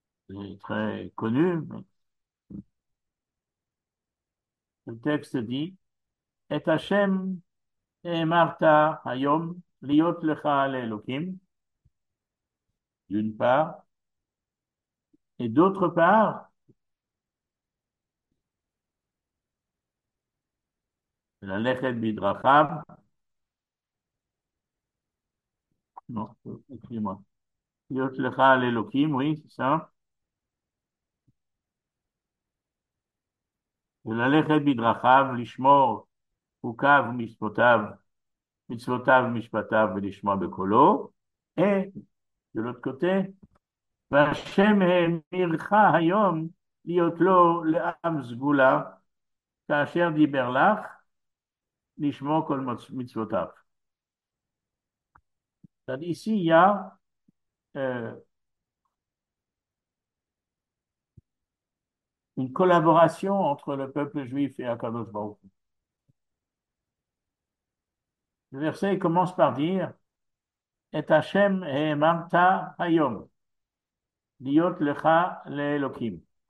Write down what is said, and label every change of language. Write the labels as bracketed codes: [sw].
[fr] C'est très connu. Le texte dit, Et Hashem emarta hayom liot lecha l'Elohim, d'une part, et d'autre part, la lechet bidrachav. Non, écris-moi. Liot lecha l'Elohim, oui, c'est ça. [he] ללכת בדרכיו, לשמור חוקיו ומשפטיו, מצוותיו ומשפטיו ולשמוע בקולו, ולא תקוטה, והשם האמירך היום להיות לו לעם סגולה, כאשר דיבר לך, לשמור כל מצוותיו. [fr] אז איסי יא, une collaboration entre le peuple juif et HaKadosh Baroukh Hou. Le verset commence par dire Et Hashem emarta hayom, liot lecha l'Elohim.